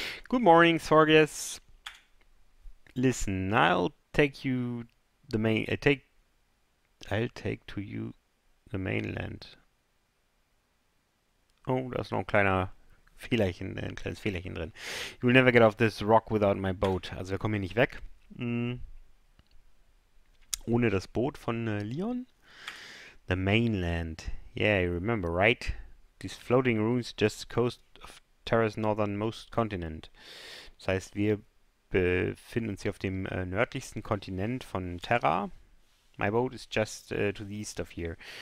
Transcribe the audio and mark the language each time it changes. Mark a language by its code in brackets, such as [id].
[en] Good morning, Sorgas. Listen, I'll take you the main... I'll take to you the mainland. [de] Oh, da ist noch ein kleiner Fehlerchen, ein kleines Fehlerchen drin. [en] You'll never get off this rock without my boat. [de] Also wir kommen hier nicht weg. Ohne das Boot von Leon. [en] The mainland. Yeah, you remember, right? These floating ruins just coast of Terra's northernmost continent. [de] Das heißt, wir befinden uns hier auf dem nördlichsten Kontinent von Terra. [en] My boat is just to the east of here.